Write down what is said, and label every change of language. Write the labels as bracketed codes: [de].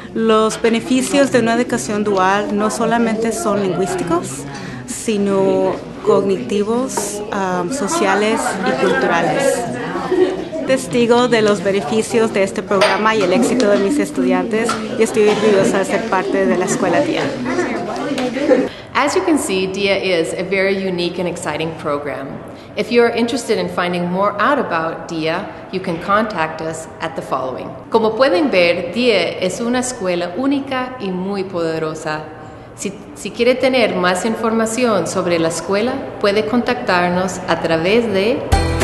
[es] Los beneficios de una educación dual no solamente son lingüísticos, sino cognitivos, sociales y culturales. Testigo de los beneficios de este programa y el éxito de mis estudiantes, y estoy orgullosa de ser parte de la Escuela DEA. [en] As you can see, DEA is a very unique and exciting program. If you are interested in finding more out about DEA, you can contact us at the following. [es] Como pueden ver, DEA es una escuela única y muy poderosa. Si quiere tener más información sobre la escuela, puede contactarnos a través de...